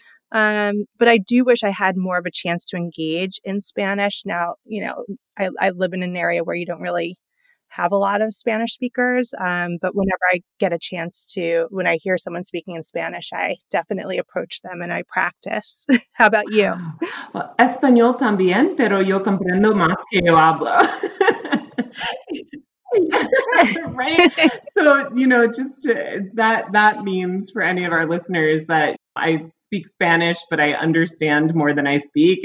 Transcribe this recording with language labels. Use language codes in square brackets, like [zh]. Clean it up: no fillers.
[en] But I do wish I had more of a chance to engage in Spanish. Now, you know, I live in an area where you don't really have a lot of Spanish speakers. But whenever I get a chance to, when I hear someone speaking in Spanish, I definitely approach them and I practice. How about you? [es] Well, Español también, pero yo comprendo más que yo hablo. [en] Right? So, you know, just that means for any of our listeners that I speak Spanish, but I understand more than I speak.